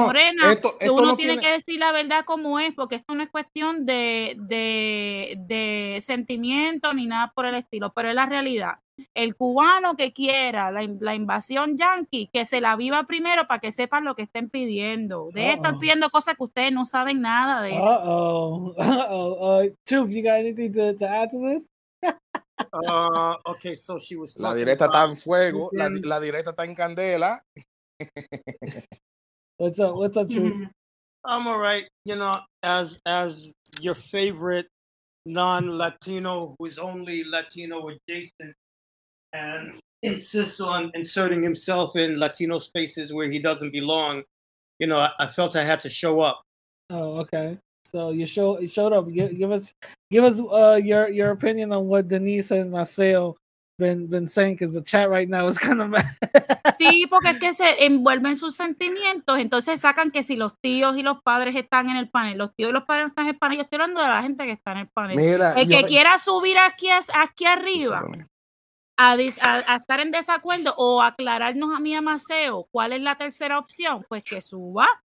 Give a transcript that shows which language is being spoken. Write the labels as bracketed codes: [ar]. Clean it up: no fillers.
[es] morena, esto uno no tiene que decir la verdad como es, porque esto no es cuestión de sentimiento ni nada por el estilo, pero es la realidad. El cubano que quiera la invasión yanqui, que se la viva primero para que sepan lo que estén pidiendo. De estar pidiendo cosas que ustedes no saben nada de eso. [en] Chuf, you got anything to add to this? Okay, so she was. [es] La directa está en fuego. La directa está en candela. [en] What's up, Truth? I'm all right. You know, as your favorite non-Latino, who is only Latino with Jason, and insists on inserting himself in Latino spaces where he doesn't belong. You know, I felt I had to show up. Oh, okay. So you showed up. Give us your opinion on what Denise and Maceo been saying, because the chat right now is kind of [es] sí, porque es que se envuelven sus sentimientos, entonces sacan que si los tíos y los padres están en el panel, los tíos y los padres están en el panel. Yo estoy hablando de la gente que está en el panel. Mira, el que quiera subir aquí arriba a estar en desacuerdo o aclararnos a mí, a Maceo, cuál es la tercera opción, pues que suba.